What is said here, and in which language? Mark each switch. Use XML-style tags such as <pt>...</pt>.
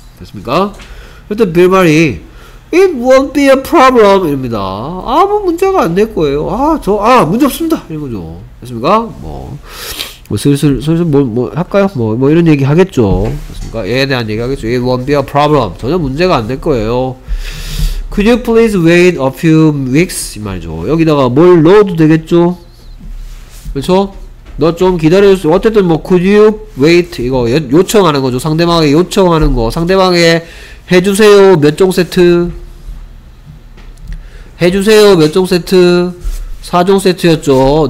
<ko>됐습니까? 일단 빌발이</ko> <en>It won't be a problem 이릅니다.</en> <ko>아무 문제가 안 될 거예요. 아 저 아 문제 없습니다 이런 거죠. 됐습니까? 뭐 슬슬 슬슬 뭐 할까요? 뭐 이런 얘기 하겠죠. 됐습니까? 얘에 대한 얘기 하겠죠.</ko> <en>It won't be a problem.</en> <ko>전혀 문제가 안 될 거예요.</ko> <en>Could you please wait a few weeks</en> <ko>이 말이죠. 여기다가 뭘 넣어도 되겠죠. 그렇죠? 너 좀 기다려 주세요. 어쨌든 뭐</ko> <en>could you wait</en> <ko>이거 요청하는 거죠. 상대방에게 요청하는 거. 상대방에게 해주세요 몇 종 세트. 해주세요 몇 종 세트. 4종 세트였죠.</ko>